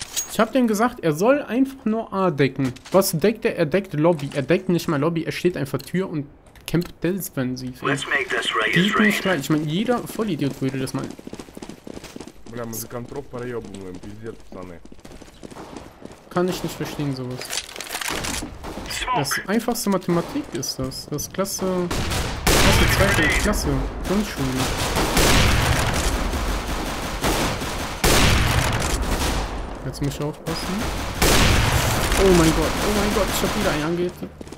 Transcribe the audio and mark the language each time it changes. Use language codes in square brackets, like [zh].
[de] Ich habe dem gesagt, er soll einfach nur A decken. Was deckt er? Er deckt Lobby. Er deckt nicht mal Lobby. Er steht einfach Tür und kämpft defensiv. Geht nicht gleich. Ich meine, jeder Vollidiot würde das mal. [ru] Бля, мы за контроль проебываем, пиздец, пацаны. [de] Kann ich nicht verstehen, sowas. Das einfachste Mathematik ist das. Das ist Klasse. Klasse 2. Klasse. Grundschule. Jetzt muss ich aufpassen. Oh mein Gott. Oh mein Gott. Ich hab wieder einen angegriffen.